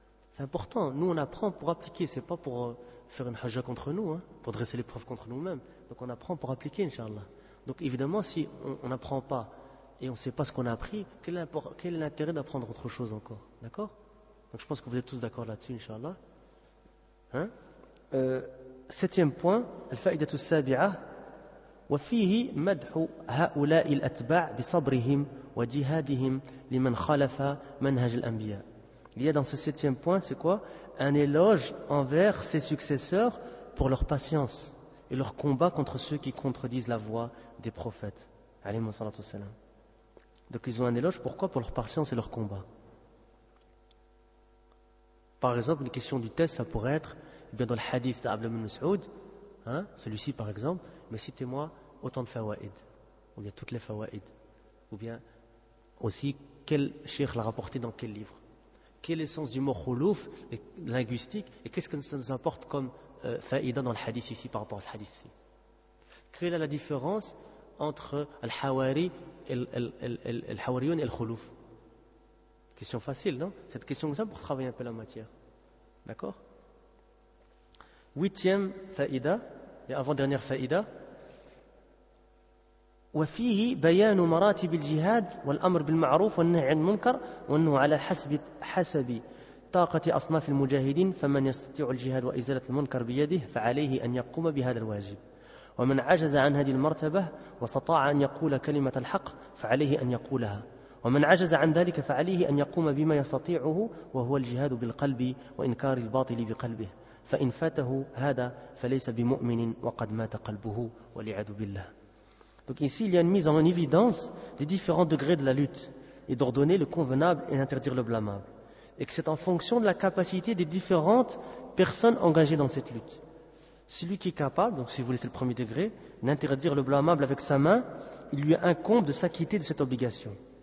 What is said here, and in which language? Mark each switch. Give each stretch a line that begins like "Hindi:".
French: C'est important, nous on apprend pour appliquer, c'est pas pour faire une hajja contre nous, hein, pour dresser les preuves contre nous-mêmes. Donc on apprend pour appliquer, Inch'Allah. Donc évidemment, si on n'apprend pas et on ne sait pas ce qu'on a appris, quel est l'intérêt d'apprendre autre chose encore? D'accord? Donc je pense que vous êtes tous d'accord là-dessus, Inch'Allah. Hein? Septième point,
Arabic: الفائدة السابعة وفيه مدح هؤلاء الأتباع بصبرهم وجهادهم لمن خالف منهج الأنبياء.
French: Il y a dans ce septième point, c'est quoi? Un éloge envers ses successeurs pour leur patience et leur combat contre ceux qui contredisent la voie des prophètes.
Arabic: Alayhi salatu wa salam.
French: Donc ils ont un éloge, pourquoi? Pour leur patience et leur combat. Par exemple, une question du test, ça pourrait être bien dans le hadith d'Abd ibn Mas'ud, hein, celui-ci par exemple, mais citez-moi autant de fawa'id, ou bien toutes les fawa'id, ou bien aussi quel cheikh l'a rapporté dans quel livre, quel est le sens du mot khulouf linguistique et qu'est-ce que ça nous apporte comme faïda dans le hadith ici par rapport à ce hadith ici. Quelle est la différence entre al-hawari et al-hawariyun et al-khulouf? Question facile, non? Cette question est simple pour travailler un peu la matière. D'accord? Huitième faïda, et avant-dernière faïda.
Arabic: وفيه بيان مراتب الجهاد والأمر بالمعروف والنهي عن المنكر وأنه على حسب طاقة أصناف المجاهدين فمن يستطيع الجهاد وإزالة المنكر بيده فعليه أن يقوم بهذا الواجب ومن عجز عن هذه المرتبة واستطاع أن يقول كلمة الحق فعليه أن يقولها ومن عجز عن ذلك فعليه أن يقوم بما يستطيعه وهو الجهاد بالقلب وإنكار الباطل بقلبه فإن فاته هذا فليس بمؤمن وقد مات قلبه والعياذ بالله.
French: Donc ici, il y a une mise en évidence des différents degrés de la lutte et d'ordonner le convenable et d'interdire le blâmable. Et que c'est en fonction de la capacité des différentes personnes engagées dans cette lutte. Celui qui est capable, donc si vous voulez, c'est le premier degré, d'interdire le blâmable avec sa main, il lui incombe de s'acquitter de cette obligation.